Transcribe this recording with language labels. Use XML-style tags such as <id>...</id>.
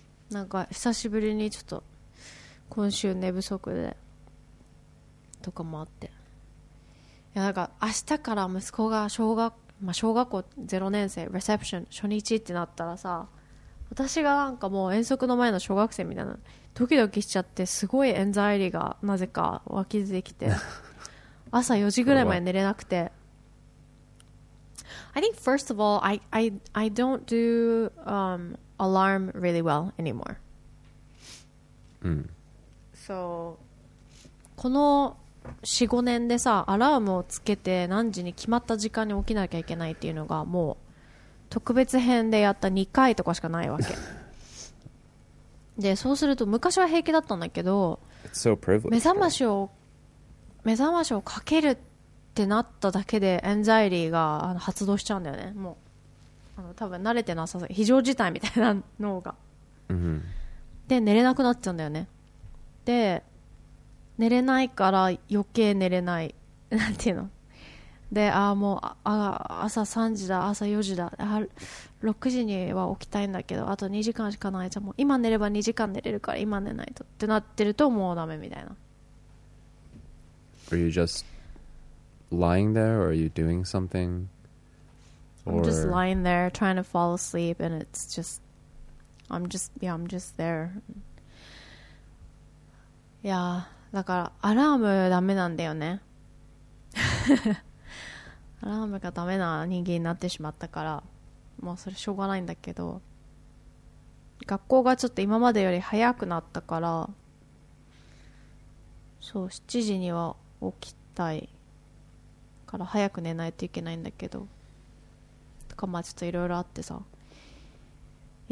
<ja>なんか久しぶりにちょっと今週寝不足でとかもあって、いやなんか明日から息子が小学、まあ、小学校0年生レセプション初日ってなったらさ、私がなんかもう遠足の前の小学生みたいな、ドキドキしちゃってすごいエンザイリーがなぜか湧き出てきて朝4時ぐらいまで寝れなくて。</ja> <en>I think first of all I don't do alarm really well anymore、</en> <ja>うん、 so この 4,5 年でさ、アラームをつけて何時に決まった時間に起きなきゃいけないっていうのがもう特別編でやった2回とかしかないわけで、そうすると昔は平気だったんだけど、</ja> <en>It's so privileged,</en> <ja>目覚ましをかけるってなっただけでエンザイリーが発動しちゃうんだよね、もうあの多分慣れてなさそう、非常事態みたいな脳が、 mm-hmm. で寝れなくなっちゃうんだよね。で寝れないから余計寝れない、なんていうので、あもう朝3時だ朝4時だ、あ6時には起きたいんだけどあと2時間しかない、じゃもう今寝れば2時間寝れるから今寝ないとってなってるともうダメみたいな。</ja> <en>Are you just lying there or are you doing something? Or... I'm just lying there trying to fall asleep and it's just I'm just there.</en> <ja>Yeah, だからアラームダメなんだよねアラームがダメな人間になってしまったから、もうそれしょうがないんだけど、学校がちょっと今までより早くなったから、そう7時には起きたいから早く寝ないといけないんだけどとか、まあちょっといろいろあってさ、い</ja>